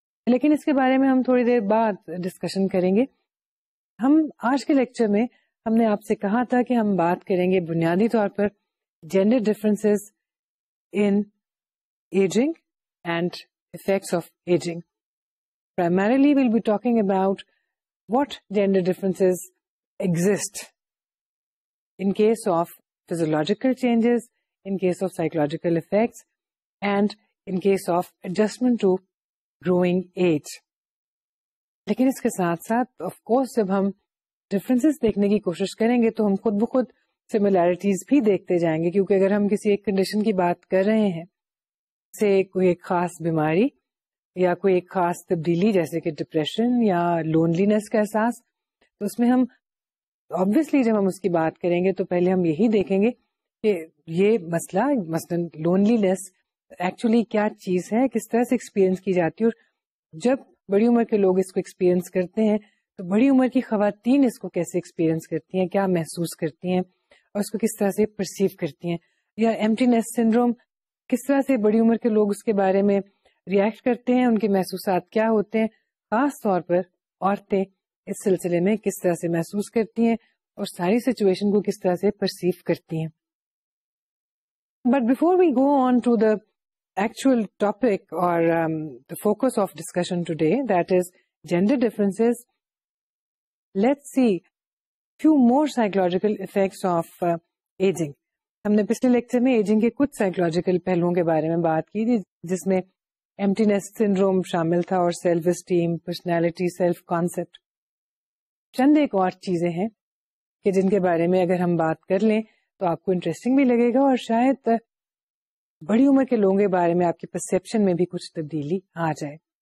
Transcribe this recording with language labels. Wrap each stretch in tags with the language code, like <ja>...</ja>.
<ur>لیکن اس کے بارے میں ہم تھوڑی دیر بعد ڈسکشن کریں گے. ہم آج کے لیکچر میں ہم نے آپ سے کہا تھا کہ ہم بات کریں گے بنیادی طور پر</ur> <en>Gender differences in ageing and effects of aging. Primarily we'll be talking about what gender differences exist in case of physiological changes, in case of psychological effects, and in case of adjustment to growing age.</en> <ur>Lekin iske saath saath of course jab hum differences dekhne ki koshish karenge to hum khud bakhud similarities bhi dekhte jayenge, kyunki agar hum kisi ek condition ki baat kar rahe hain, سے کوئی ایک خاص بیماری یا کوئی ایک خاص تبدیلی جیسے کہ ڈپریشن یا لونلینس کا احساس, تو اس میں ہم obviously جب ہم اس کی بات کریں گے تو پہلے ہم یہی دیکھیں گے کہ یہ مسئلہ مثلاً لونلینس ایکچولی کیا چیز ہے, کس طرح سے ایکسپیرئنس کی جاتی ہے, اور جب بڑی عمر کے لوگ اس کو ایکسپیرئنس کرتے ہیں تو بڑی عمر کی خواتین اس کو کیسے ایکسپیرئنس کرتی ہیں, کیا محسوس کرتی ہیں اور اس کو کس طرح سے پرسیو کرتی ہیں, یا ایمپٹینیس سنڈروم کس طرح سے بڑی عمر کے لوگ اس کے بارے میں ریئیکٹ کرتے ہیں, ان کے محسوسات کیا ہوتے ہیں, خاص طور پر عورتیں اس سلسلے میں کس طرح سے محسوس کرتی ہیں اور ساری سچویشن کو کس طرح سے پرسیو کرتی ہیں.</ur> <en>But before we go on to the actual topic or the focus of discussion today that is gender differences, let's see few more psychological effects of ageing.</en> <ur>ہم نے پچھلے لیکچر میں ایجنگ کے کچھ سائیکولوجیکل پہلوؤں کے بارے میں بات کی تھی, جس میں ایمپٹینیس سنڈروم شامل تھا اور self esteem, personality, self concept. چند ایک اور چیزیں ہیں کہ جن کے بارے میں اگر ہم بات کر لیں تو آپ کو انٹرسٹنگ بھی لگے گا اور شاید بڑی عمر کے لوگوں کے بارے میں آپ کی پرسپشن میں بھی کچھ تبدیلی آ جائے.</ur>